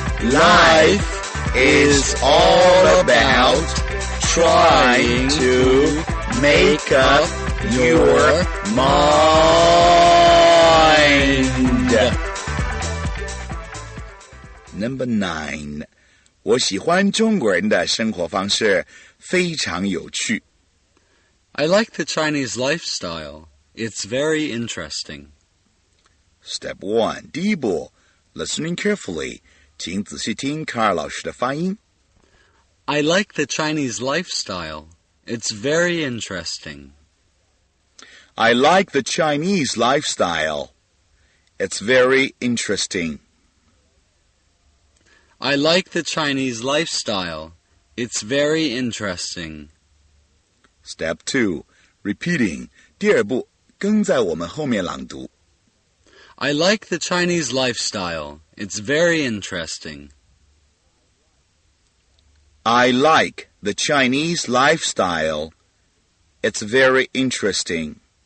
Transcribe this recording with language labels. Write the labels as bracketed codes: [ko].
[en] Life is all about trying to make up your mind. Number 9. [zh] 我喜欢中国人的生活方式非常有趣。 [en] I like the Chinese lifestyle. It's very interesting. Step 1. [zh] 第一步, [en] listening carefully. [zh] 请仔细听卡尔老师的发音。 [en] I like the Chinese lifestyle. It's very interesting. I like the Chinese lifestyle. It's very interesting. I like the Chinese lifestyle. It's very interesting. Step 2, repeating. [zh] 第二步，跟在我们后面朗读。 [en] I like the Chinese lifestyle. It's very interesting. I like the Chinese lifestyle. It's very interesting.